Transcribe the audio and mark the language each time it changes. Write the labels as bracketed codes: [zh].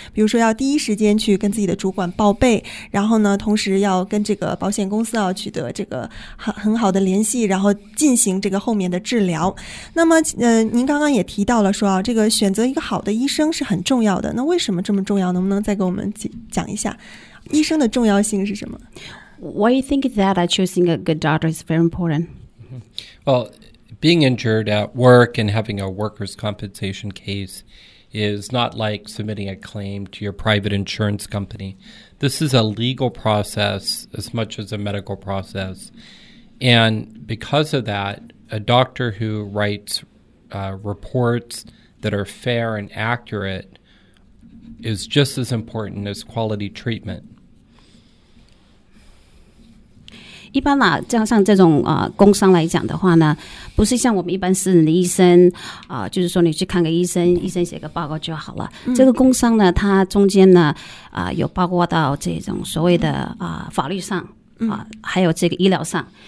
[zh] 比如说要第一时间去跟自己的主管报备，然后呢同时要跟这个保险公司啊取得这个很好的联系，然后进行这个后面的治疗。那么您刚刚也提到了说啊，这个选择一个好的医生是很重要的。那为什么这么重要？能不能再给我们讲一下医生的重要性是什么？ [en] Why you think that choosing a good doctor is very important? Well, being injured at work and having a workers' compensation case is not like submitting a claim to your private insurance company. This is a legal process as much as a medical process. And because of that, a doctor who writes reports that are fair and accurate is just as important as quality treatment. [zh] 一般啦，像这种工伤来讲的话呢，不是像我们一般私人的医生就是说你去看个医生，医生写个报告就好了。这个工伤呢，它中间呢有包括到这种所谓的法律上还有这个医疗上。